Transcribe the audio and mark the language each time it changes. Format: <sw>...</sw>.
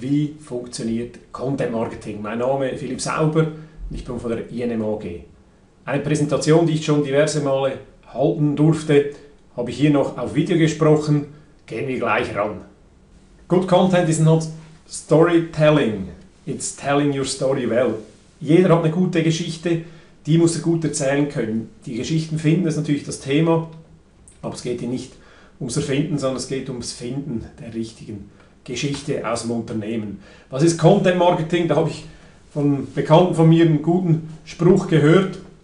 <de>Wie funktioniert Content Marketing? Mein Name ist Philipp Sauber, ich bin von der INM AG. Eine Präsentation, die ich schon diverse Male halten durfte, habe ich hier noch auf Video gesprochen. Gehen wir gleich ran.</de> <en>Good Content is not Storytelling, it's telling your story well.</en> <de>Jeder hat eine gute Geschichte, die muss er gut erzählen können. Die Geschichten finden ist natürlich das Thema, aber es geht hier nicht ums Erfinden, sondern es geht ums Finden der richtigen Geschichte aus dem Unternehmen. Was ist Content Marketing? Da habe ich von Bekannten von mir einen guten Spruch gehört.</de>